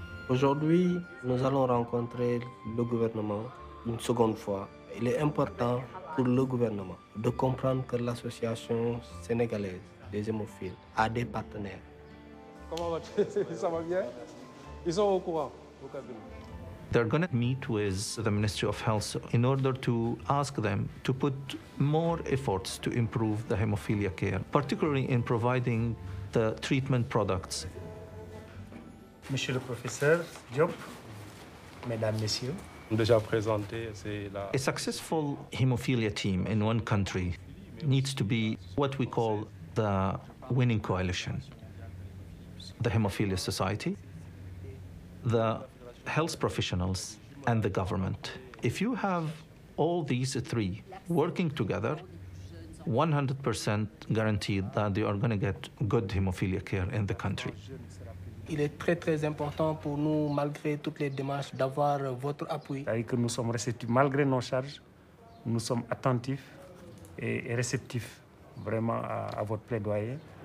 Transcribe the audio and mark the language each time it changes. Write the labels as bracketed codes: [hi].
[fr] Aujourd'hui, nous allons rencontrer le gouvernement une seconde fois. Il est important pour le gouvernement de comprendre que l'association sénégalaise des hémophiles a des partenaires. Comment va-t-il? Ça va bien? Ils sont au courant? [en] They're going to meet with the Ministry of Health in order to ask them to put more efforts to improve the hemophilia care, particularly in providing the treatment products. [fr] Monsieur le professeur Diop, mesdames, messieurs. Déjà présenté, c'est la... [en] A successful hemophilia team in one country needs to be what we call the winning coalition. The Hemophilia Society, the health professionals and the government. If you have all these three working together, 100% guaranteed that you are going to get good hemophilia care in the country. [fr] il est très, très important pour nous, malgré toutes les démarches, d'avoir votre appui. C'est-à-dire que nous sommes réceptifs, malgré nos charges, nous sommes attentifs et réceptifs vraiment à votre plaidoyer.